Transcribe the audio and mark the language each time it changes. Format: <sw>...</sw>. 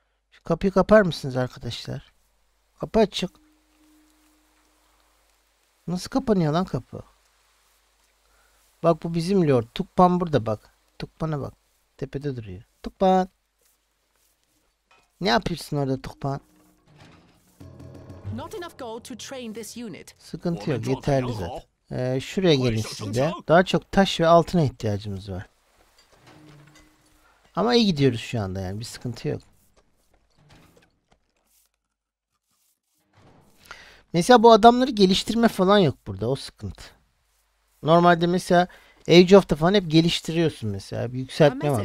<tr>Şu kapıyı kapar mısınız arkadaşlar? Kapı açık. Nasıl kapanıyor lan kapı? Bak bu bizim lord. Tukpan burada bak. Tukpan'a bak. Tepede duruyor. Tukpan. Ne yapıyorsun orada Tukpan?</tr> <en>Not enough gold to train this unit.</en> <tr>Sıkıntı yok, yeterli zaten. Şuraya gelin siz de. Daha çok taş ve altına ihtiyacımız var. Ama iyi gidiyoruz şu anda yani, bir sıkıntı yok. Mesela bu adamları geliştirme falan yok burada, o sıkıntı. Normalde mesela Age of'ta falan hep geliştiriyorsun mesela, bir yükseltme var.</tr>